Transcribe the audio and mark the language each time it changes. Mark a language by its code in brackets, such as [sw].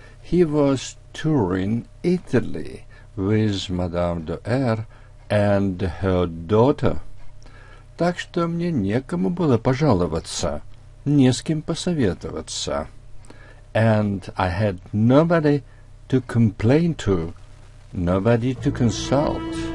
[en] He was touring Italy with Madame de R and her daughter. [ru] Так что мне некому было пожаловаться, не с кем посоветоваться. [en] And I had nobody to complain to, nobody to consult.